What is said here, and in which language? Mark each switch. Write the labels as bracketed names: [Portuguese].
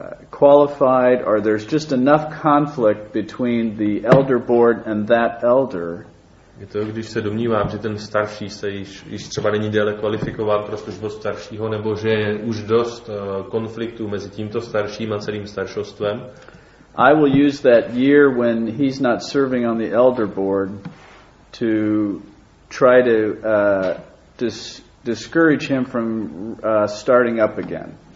[English] qualified, or there's just enough conflict between the elder board and that elder. [Czech] Je to, když se domnívám, že ten starší se již třeba není déle kvalifikován pro službu staršího, nebo že je už dost konfliktu mezi tímto starším a celým staršostvem. [English] I will use that year when he's not serving on the elder board to try to discourage him from starting up again.